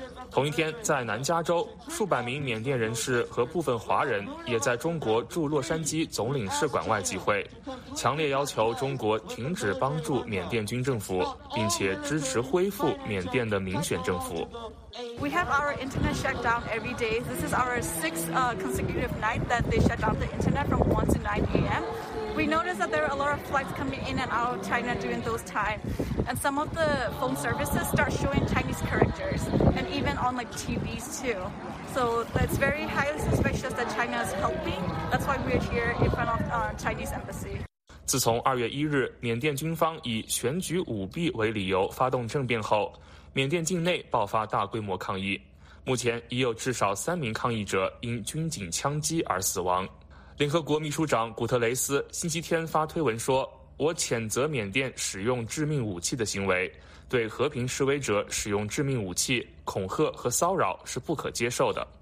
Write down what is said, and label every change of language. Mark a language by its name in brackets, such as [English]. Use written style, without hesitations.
[Chinese] 同一天，在南加州，数百名缅甸人士和部分华人也在中国驻洛杉矶总领事馆外集会，强烈要求中国停止帮助缅甸军政府，并且支持恢复缅甸的民选政府。 [English] We have our internet shut down every day. This is our sixth consecutive night that they shut down the internet from 1 to 9 a.m. We noticed that there are a lot of flights coming in and out of China during those times. And some of the phone services start showing Chinese characters and even on like TVs too. So it's very highly suspicious that China is helping. That's why we're here in front of Chinese embassy. [Chinese] 自从2月1日缅甸军方以选举舞弊为理由发动政变后，缅甸境内爆发大规模抗议，目前已有至少3名抗议者因军警枪击而死亡。联合国秘书长古特雷斯星期天发推文说，我谴责缅甸使用致命武器的行为，对和平示威者使用致命武器恐吓和骚扰是不可接受的。